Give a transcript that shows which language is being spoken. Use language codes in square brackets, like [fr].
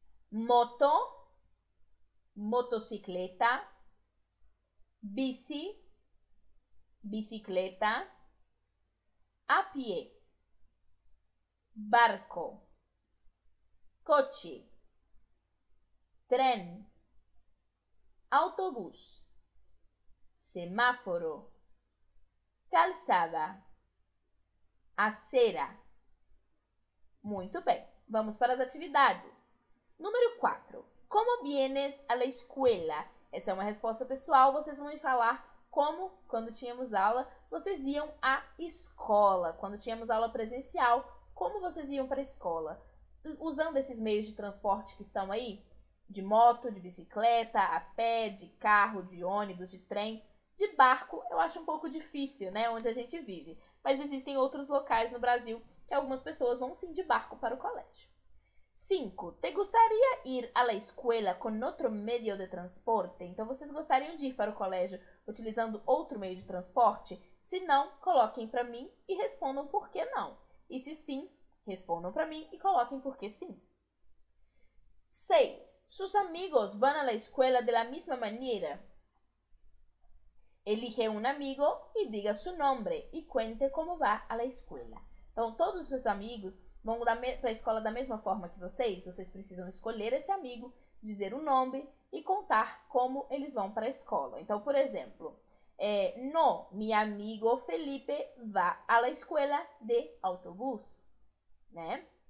[es] Moto, motocicleta, bici, bicicleta, a pie, barco, coche, tren, autobús, semáforo, calçada, acera. [pt] Muito bem, vamos para as atividades. Número 4. [es] Como vienes a la escuela? [pt] Essa é uma resposta pessoal. Vocês vão me falar como, quando tínhamos aula, vocês iam à escola. Quando tínhamos aula presencial, como vocês iam para a escola? Usando esses meios de transporte que estão aí? De moto, de bicicleta, a pé, de carro, de ônibus, de trem. De barco, eu acho um pouco difícil, né? Onde a gente vive. Mas existem outros locais no Brasil que algumas pessoas vão sim de barco para o colégio. 5. [es] Te gustaría ir a la escuela con otro medio de transporte? [pt] Então, vocês gostariam de ir para o colégio utilizando outro meio de transporte? Se não, coloquem para mim e respondam por que não. E se sim, respondam para mim e coloquem por que sim. 6. [es] Sus amigos van a la escuela de la misma manera? Elige un amigo y diga su nombre y cuente cómo va a la escuela. [pt] Então, todos os amigos vão para a escola da mesma forma que vocês. Vocês precisam escolher esse amigo, dizer o nome e contar como eles vão para a escola. Então, por exemplo, [es] No, mi amigo Felipe va a la escuela de autobús. Né?